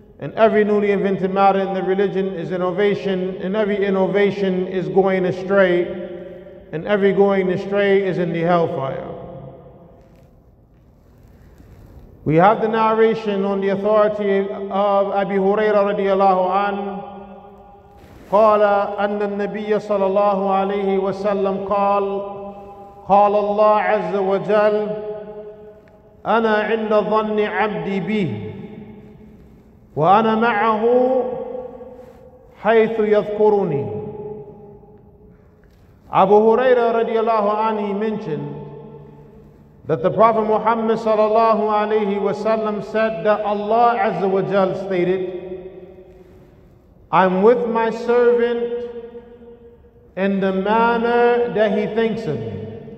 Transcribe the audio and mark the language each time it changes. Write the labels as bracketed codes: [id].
[en] And every newly invented matter in the religion is innovation, and every innovation is going astray, and every going astray is in the hellfire. We have the narration on the authority of Abi Huraira radiallahu anhu. [ar] قال أن النبي صلى الله عليه وسلم قال قال الله عز وجل أنا عند ظن عبدي بي وأنا معه حيث يذكرني. [en] Abu Huraira radiallahu anhu mentioned that the Prophet Muhammad [ar] صلى الله عليه وسلم [en] said that Allah [ar] عز وجل [en] stated, I'm with my servant in the manner that he thinks of me.